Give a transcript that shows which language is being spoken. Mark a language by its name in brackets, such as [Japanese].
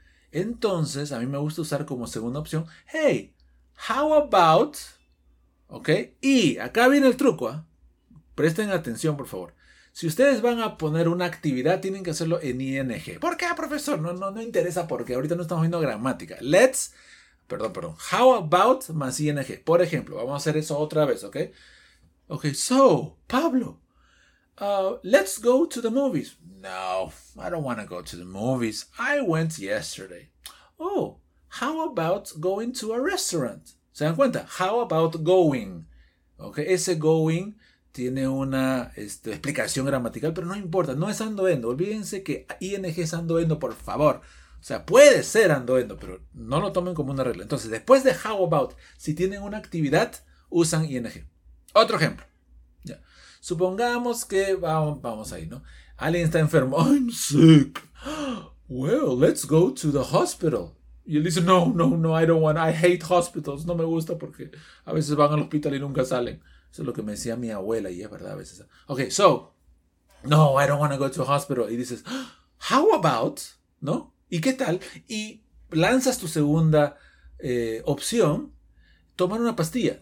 [Spanish] Entonces, a mí me gusta usar como segunda opción, [English] hey, how about, ok, [Spanish] y acá viene el truco, ¿eh? Presten atención, por favor. Si ustedes van a poner una actividad, tienen que hacerlo en ING. ¿Por qué, profesor? No interesa porque ahorita no estamos viendo gramática. Perdón. [English] How about [Spanish] más ING. Por ejemplo, vamos a hacer eso otra vez, ¿ok? [English] Ok, so, Pablo, let's go to the movies. No, I don't want to go to the movies. I went yesterday. Oh, how about going to a restaurant? [Spanish] ¿Se dan cuenta? [English] How about going? [Spanish] Ok, ese going tiene una explicación gramatical, pero no importa, no es andoendo. Olvídense que ING es andoendo, por favor. O sea, puede ser andoendo, pero no lo tomen como una regla. Entonces, después de [English] how about, [Spanish] si tienen una actividad, usan ING. Otro ejemplo. Ya. Supongamos que vamos ahí, ¿no? Alguien está enfermo. [English] I'm sick. Well, let's go to the hospital. [Spanish] Y él dice, no, [English] I don't want, I hate hospitals. [Spanish] No me gusta porque a veces van al hospital y nunca salen. Eso es lo que me decía mi abuela y es verdad a veces. [English] Ok, so, no, I don't want to go to a hospital. [Spanish] Y dices, [English] how about, [Spanish] ¿no? ¿Y qué tal? Y lanzas tu segunda opción, tomar una pastilla.